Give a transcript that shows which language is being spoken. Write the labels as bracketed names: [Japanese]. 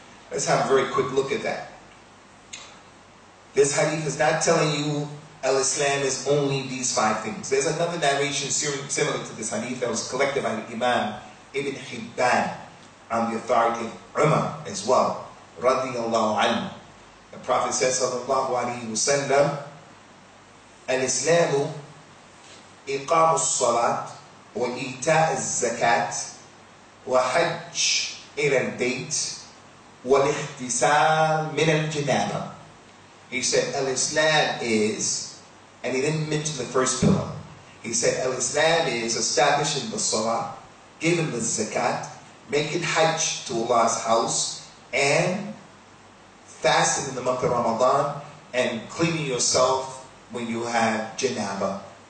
[English] Let's have a very quick look at that. This hadith is not telling you Al-Islam is only these five things. There's another narration similar to this hadith that was collected by Imam Ibn Hibban on the authority of Umar as well, radiyallahu anhu. The Prophet said, sallallahu alayhi wa sallam, [Arabic] الإسلام إقام الصلاة وإيتاء الزكاة وحج إلى البيت والاغتسال من الجنابة. [English] He said al-Islam is, and he didn't mention the first pillar. He said al-Islam is establishing the salah, giving the zakat, making hajj to Allah's house, and fasting in the month of Ramadan, and cleaning yourself when you have janaba.